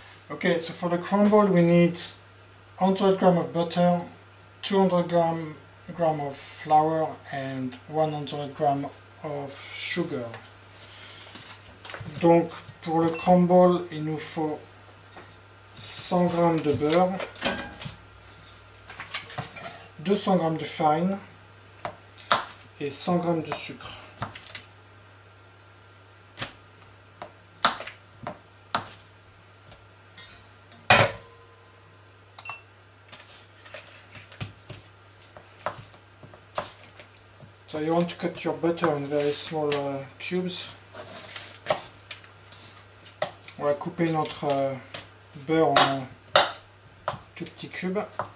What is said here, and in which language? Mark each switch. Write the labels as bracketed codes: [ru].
[en] Okay, so for the crumble we need 100 g of butter, 200 g of flour and 100 g of sugar. [fr] Donc pour le crumble il nous faut 100 g de beurre, 200 g de farine et 100 g de sucre. [en] So you want to cut your butter in very small cubes. [fr] On va couper notre beurre en tout petits cubes.